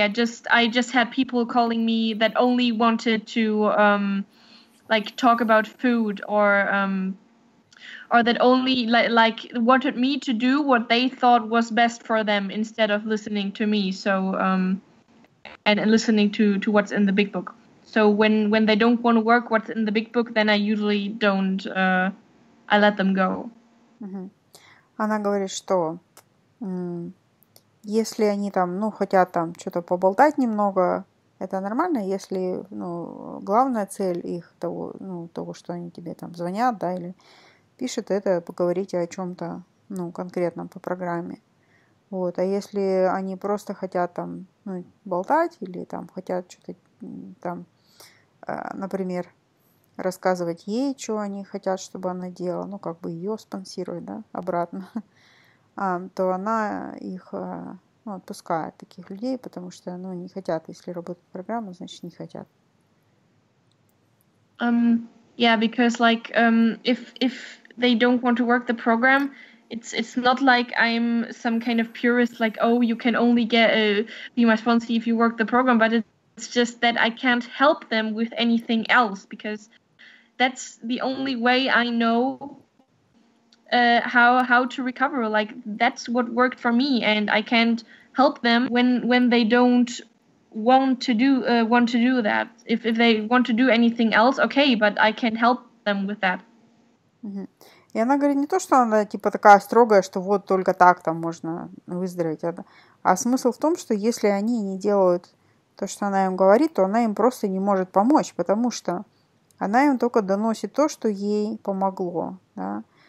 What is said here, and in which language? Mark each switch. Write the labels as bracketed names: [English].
[English] I just had people calling me that only wanted to like talk about food or that only like wanted me to do what they thought was best for them instead of listening to me. So and listening to what's in the big book. So when they don't want to work what's in the big book, then I usually don't. I let them go. Mm-hmm. [Russian] Она говорит, что если они там, ну, хотят там что-то поболтать немного, это нормально, если, ну, главная цель их того, ну, того, что они тебе там звонят, да, или пишут, это поговорить о чем-то, ну, конкретном по программе. Вот, а если они просто хотят там, ну, болтать или там хотят что-то там, например, рассказывать ей, что они хотят, чтобы она делала, ну, как бы ее спонсировать, да, обратно, то она их, ну, отпускает, таких людей, потому что, ну, не хотят, если работает программа, значит, не хотят. [English] Yeah, because, like, if they don't want to work the program, it's not like I'm some kind of purist, like, oh, you can only get be my sponsor if you work the program, but it's just that I can't help them with anything else, because that's the only way I know how to recover. Like, that's what worked for me, and I can't help them when they don't want to do that. If they want to do anything else, okay, but I can't help them with that. Mm-hmm. [Russian] И она говорит не то, что она типа такая строгая, что вот только так там можно выздороветь, а смысл в том, что если они не делают то, что она им говорит, то она им просто не может помочь, потому что она им только доносит то, что ей помогло, да.